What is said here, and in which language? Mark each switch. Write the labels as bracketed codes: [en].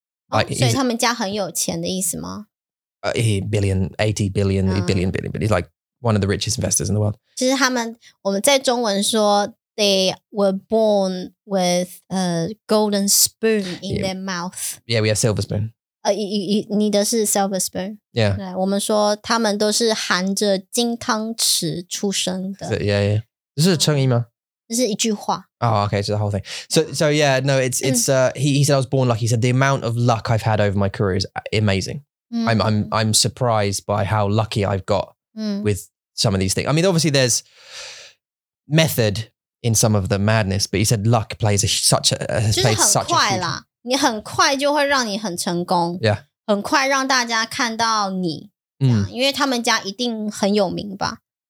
[zh] Like, 所以他们家很有钱的意思吗? [en] He's like one of the richest investors in the world. [zh] 其实他们,我们在中文说 [en] They were born with a golden spoon in their mouth. Yeah, we have silver spoon. [zh] 你的是 silver spoon. [en] Yeah. [zh] 对，我们说他们都是含着金汤匙出生的。 [en] So, yeah, yeah. [zh] 这是称义吗？这是一句话。 [en] Oh, okay, so the whole thing. So yeah, no, it's he said I was born lucky. He said the amount of luck I've had over my career is amazing.、 Mm. I'm surprised by how lucky I've got、 mm. with some of these things. I mean, obviously there's method. In some of the madness, but he said luck plays such a huge role. [zh] 你很快就会让你很成功。 [en] Yeah. [zh] 很快让大家看到你。嗯。因为他们家一定很有名吧。